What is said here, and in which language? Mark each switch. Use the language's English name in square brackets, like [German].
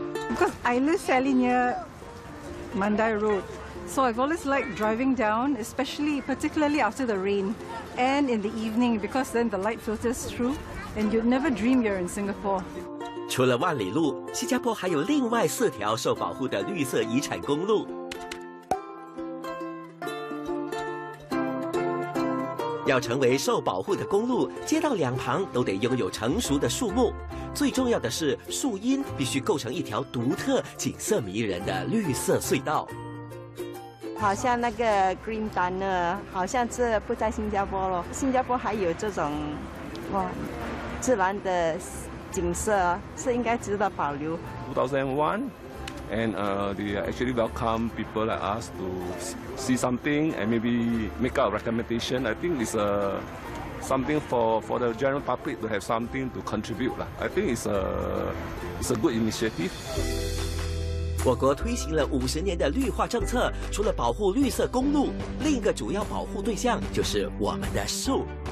[English] Because I live fairly near Mandai Road, so I've always liked driving down, especially particularly after the rain and in the evening, because then the light filters throughAnd you'd never dream you're in Singapore. [Chinese] 除了万里路，新加坡还有另外四条受保护的绿色遗产公路。要成为受保护的公路，街道两旁都得拥有成熟的树木。最重要的是，树荫必须构成一条独特、景色迷人的绿色隧道。好像那个 Green Tunnel， 好像是不在新加坡了。新加坡还有这种，哇！自然的景色是应该值得保留。 [English] 2001, and they actually welcome people like us to see something and maybe make a recommendation. I think it's something for the general public to have something to contribute lah. I think it's a good initiative. [Chinese] 我国推行了50年的绿化政策，除了保护绿色公路，另一个主要保护对象就是我们的树。